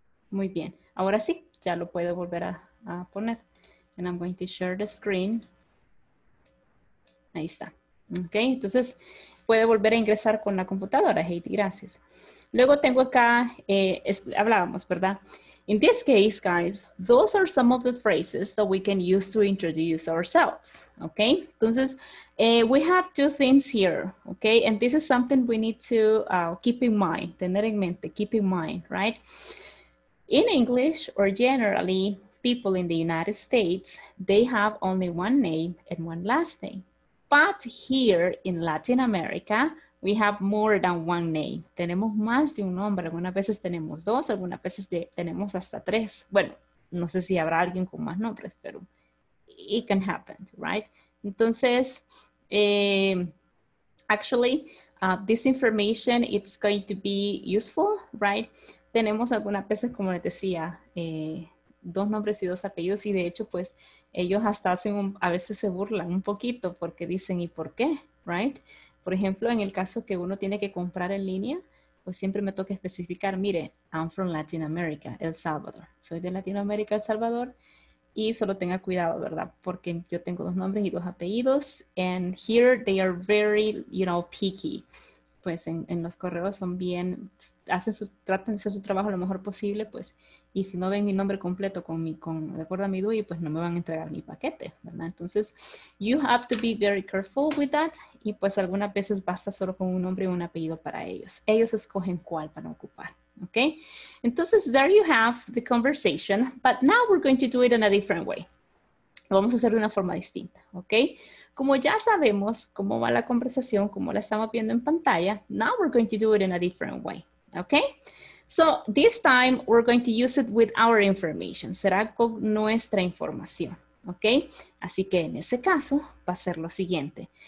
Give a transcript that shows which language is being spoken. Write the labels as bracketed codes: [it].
[es] Muy bien, ahora sí, ya lo puedo volver a poner. [en] And I'm going to share the screen. [es] Ahí está. Ok, entonces puede volver a ingresar con la computadora, Heidi, gracias. Luego tengo acá, hablábamos, ¿verdad? [en] In this case, guys, those are some of the phrases that we can use to introduce ourselves. Ok, entonces we have two things here. Ok, and this is something we need to keep in mind, [es] tener en mente, [en] keep in mind, right? In English or generally, people in the United States, they have only one name and one last name. But here in Latin America, we have more than one name. [es] Tenemos más de un nombre. Algunas veces tenemos dos, algunas veces tenemos hasta tres. Bueno, no sé si habrá alguien con más nombres, pero [en] it can happen, [es] right? [en] Entonces, this information, it's going to be useful, right? [es] Tenemos algunas veces, como les decía, dos nombres y dos apellidos, y de hecho, pues, ellos hasta hacen, a veces se burlan un poquito porque dicen, ¿y por qué? Right? Por ejemplo, en el caso que uno tiene que comprar en línea, pues siempre me toca especificar, mire, [en] I'm from Latin America, [es] El Salvador. Soy de Latinoamérica, El Salvador. Y solo tenga cuidado, ¿verdad? Porque yo tengo dos nombres y dos apellidos. [en] And here they are very, you know, picky. [es] Pues en los correos son bien, tratan de hacer su trabajo lo mejor posible, pues. Y si no ven mi nombre completo de acuerdo a mi DUI, pues no me van a entregar mi paquete, ¿verdad? [en] Entonces, you have to be very careful with that. [es] Y pues algunas veces basta solo con un nombre y un apellido para ellos. Ellos escogen cuál van a ocupar, ¿ok? Entonces, [en] there you have the conversation. But now we're going to do it in a different way. [es] Lo vamos a hacer de una forma distinta, ¿ok? Como ya sabemos cómo va la conversación, como la estamos viendo en pantalla, [en] now we're going to do it in a different way, [es] ¿ok? [en] So, this time, we're going to use it with our information. [es] Será con nuestra información, ¿ok? Así que en ese caso, va a ser lo siguiente.